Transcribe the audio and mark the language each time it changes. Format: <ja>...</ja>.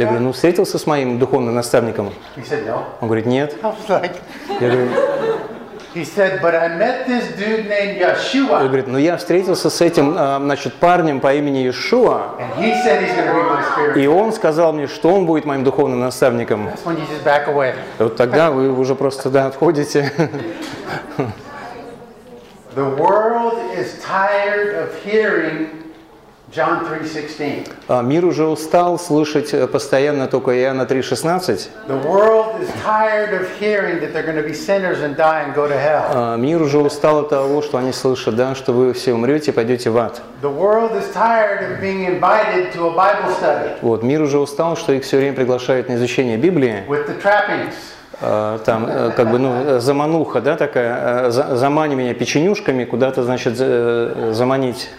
<ru>Я говорю, ну встретился с моим духовным наставником?</ru> <en>He said, no.</en> <ru>Он говорит, нет.</ru> <en>I was like...</en> <ru>Я говорю...</ru> <en>He said, but I met this dude named Yeshua.</en> <ru>Он говорит, ну я встретился с этим, значит, парнем по имени Иешуа.</ru> <en>And he said he's gonna be my spirit guide.</en> <ru>И он сказал мне, что он будет моим духовным наставником.</ru> <en>That's when you just back away.</en> <ru>И вот тогда вы уже просто, да, отходите.</ru> <en>The world is tired of hearing John 3:16.</en> <ru>Мир уже устал слышать постоянно только Иоанна 3:16.</ru> <en>The world is tired of hearing that they're going to be sinners and die and go to hell.</en> <ru>Мир уже устал от того, что они слышат, да, что вы все умрете и пойдете в ад.</ru> <en>The world is tired of being invited to a Bible study.</en> <ru>Вот мир уже устал, что их все время приглашают на изучение Библии.</ru> <en>With the trappings.</en> <ru>Там, как бы, ну, замануха, да, такая, замани меня печенюшками, куда-то, значит, заманить.</ru>